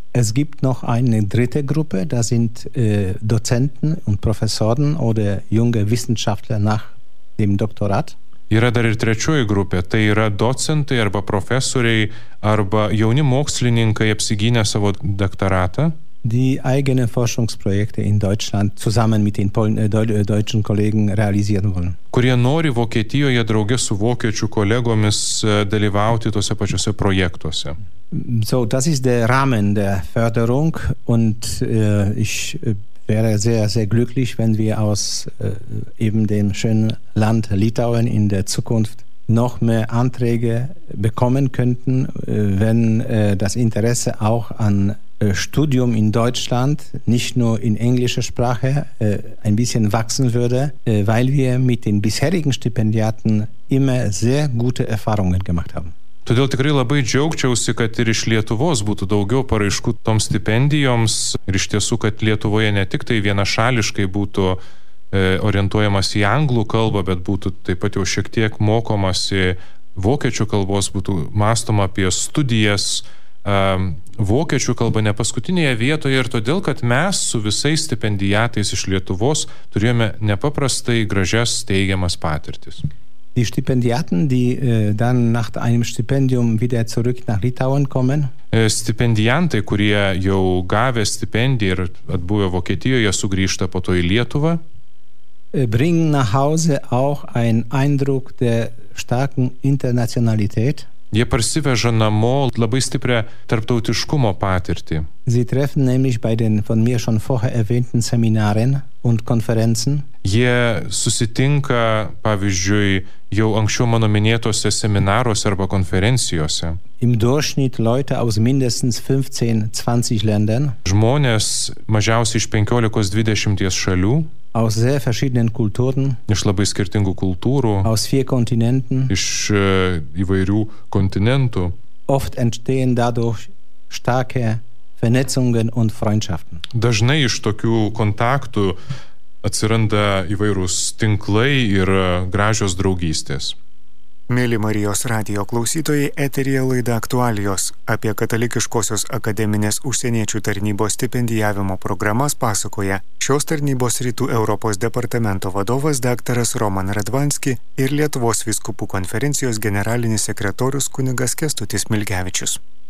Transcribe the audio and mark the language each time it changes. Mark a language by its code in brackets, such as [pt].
[de] Es gibt noch eine dritte Gruppe, da sind Dozenten und Professoren oder junge Wissenschaftler nach dem Doktorat. [lt] Yra dar ir trečioji grupė, tai yra docentai arba profesoriai arba jauni mokslininkai apsigynę savo doktoratą. [de] Die eigene Forschungsprojekte in Deutschland zusammen mit den deutschen Kollegen realisieren wollen. [lt] Kurie nori Vokietijoje drauge su vokiečių kolegomis dalyvauti tose pačiose projektuose. [de] So, das ist der Rahmen der Förderung und ich wäre sehr, sehr glücklich, wenn wir aus eben dem schönen Land Litauen in der Zukunft noch mehr Anträge bekommen könnten, wenn das Interesse auch an Studium in Deutschland, nicht nur in englischer Sprache, ein bisschen wachsen würde, weil wir mit den bisherigen Stipendiaten immer sehr gute Erfahrungen gemacht haben. [lt] Todėl tikrai labai džiaugčiausi, kad ir iš Lietuvos būtų daugiau paraiškų toms stipendijoms ir iš tiesų, kad Lietuvoje ne tik tai vienašališkai būtų orientuojamas į anglų kalbą, bet būtų taip pat jau šiek tiek mokomas į vokiečių kalbos, būtų mąstoma apie studijas vokiečių kalba ne paskutinėje vietoje ir todėl, kad mes su visais stipendijatais iš Lietuvos turėjome nepaprastai gražias teigiamas patirtis. [de] Die Stipendiaten, die dann nach einem Stipendium wieder zurück nach Litauen kommen. [lt] Stipendiantai, kurie jau gavę stipendiją ir atbuvę Vokietijoje, sugrįžta po to į Lietuvą. [de] Bringen nach Hause auch einen Eindruck der starken Internationalität. [lt] Jie parsiveža namo labai stiprią tarptautiškumo patirtį. [de] Sie treffen nämlich bei den von mir schon vorher erwähnten Seminaren und Konferenzen. [lt] Jie susitinka, pavyzdžiui, jau anksčiau mano minėtose seminaruose arba konferencijose. [de] Im Durchschnitt Leute aus mindestens 15-20 Ländern. [lt] Žmonės mažiausiai iš 15-20 šalių. [de] Aus sehr verschiedenen Kulturen. [lt] Iš labai skirtingų kultūrų. [de] Aus vier Kontinenten. [lt] Iš įvairių kontinentų. [de] Oft entstehen dadurch starke Vernetzungen und Freundschaften. [lt] Dažnai iš tokių kontaktų atsiranda įvairūs tinklai ir gražios draugystės. Mėly Marijos radijo klausytojai, eteryje laida Aktualijos. Apie katalikiškosios akademinės užsieniečių tarnybos stipendijavimo programas pasakoja šios tarnybos rytų Europos departamento vadovas daktaras Roman Radvanski ir Lietuvos vyskupų konferencijos generalinis sekretorius kunigas Kęstutis Milgevičius.